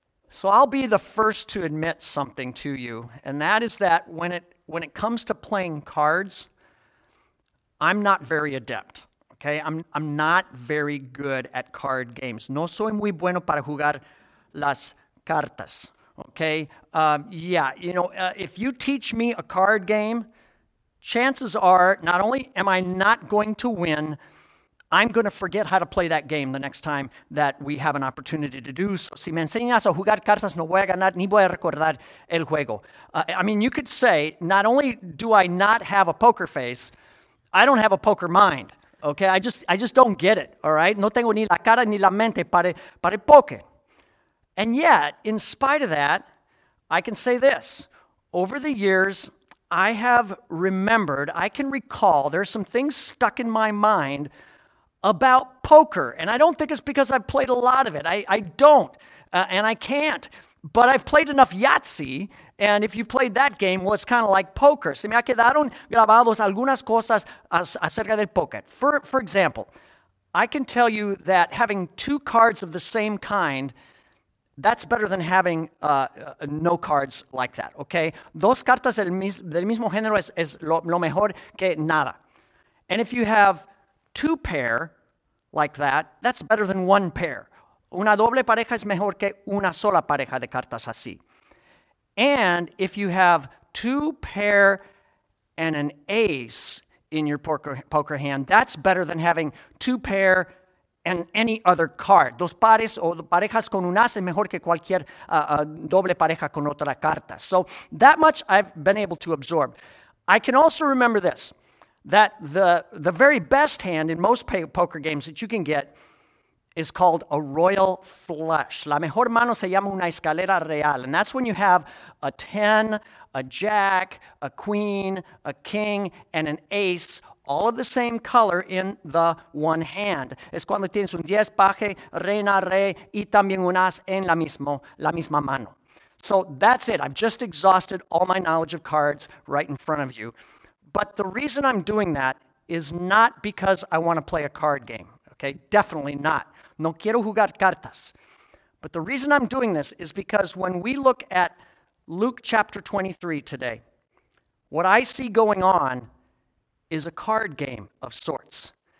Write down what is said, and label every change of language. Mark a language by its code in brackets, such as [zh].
[en] So I'll be the first to admit something to you, and that is that when it comes to playing cards, I'm not very adept. Okay, I'm not very good at card games. [es] No soy muy bueno para jugar las cartas. [en] Okay, if you teach me a card game, chances are not only am I not going to win, I'm going to forget how to play that game the next time that we have an opportunity to do so. [es] Si me enseñas a jugar cartas, no voy a ganar ni voy a recordar el juego. [en] You could say, not only do I not have a poker face, I don't have a poker mind. Okay, I just don't get it, all right? [es] No tengo ni la cara ni la mente para el poker. [en] And yet, in spite of that, I can say this. Over the years, I can recall, there's some things stuck in my mind about poker. And I don't think it's because I've played a lot of it. I don't, and I can't. But I've played enough Yahtzee, and if you played that game, well, it's kind of like poker. [es] Se me ha quedaron grabados algunas cosas acerca del poker. [en] For example, I can tell you that having two cards of the same kind, that's better than having no cards like that, okay? [es] Dos cartas del mismo género es lo mejor que nada. [en] And if you have two pair like that, that's better than one pair. [es] Una doble pareja es mejor que una sola pareja de cartas así. [en] And if you have two pair and an ace in your poker hand, that's better than having two pair and any other card. [es] Dos pares o parejas con un as es mejor que cualquier doble pareja con otra carta. [en] So that much I've been able to absorb. I can also remember this, that the very best hand in most poker games that you can get is called a royal flush. [es] La mejor mano se llama una escalera real. [en] And that's when you have a 10, a jack, a queen, a king, and an ace, all of the same color in the one hand. [es] Es cuando tienes un 10, paje, reina, rey, y también un as en la misma mano. [en] So that's it. I've just exhausted all my knowledge of cards right in front of you. But the reason I'm doing that is not because I want to play a card game. Okay, definitely not. [es] No quiero jugar cartas. [en] But the reason I'm doing this is because when we look at Luke chapter 23 today, what I see going on is a card game of sorts.